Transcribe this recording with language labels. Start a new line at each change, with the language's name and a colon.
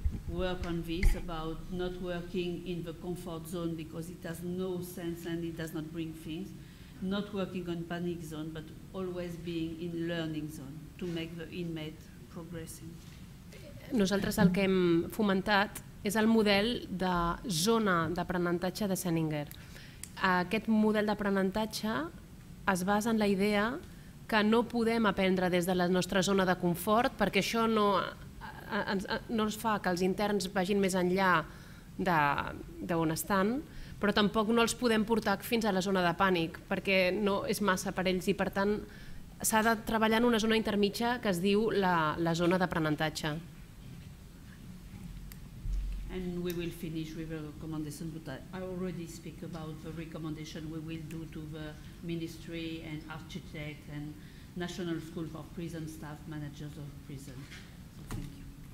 English: Work on this about not working in the comfort zone because it has no sense and it does not bring things, not working on panic zone, but always being in learning zone to make the inmate progressing.
Catalan: Nosaltres el que hem fomentat és el model de zona d'aprenentatge de Senninger. Aquest model d'aprenentatge es basa en la idea que no podem aprendre des de la nostra zona de confort, perquè això no ens fa que els interns vagin més enllà d'on estan, però tampoc no els podem portar fins a la zona de pànic, perquè no és massa per ells, i per tant s'ha de treballar en una zona intermitja que es diu la zona d'aprenentatge.
English: And we will finish with a recommendation, but I already speak about the recommendation we will do to the ministry and architect and National School for Prison Staff, managers of prison. So thank you.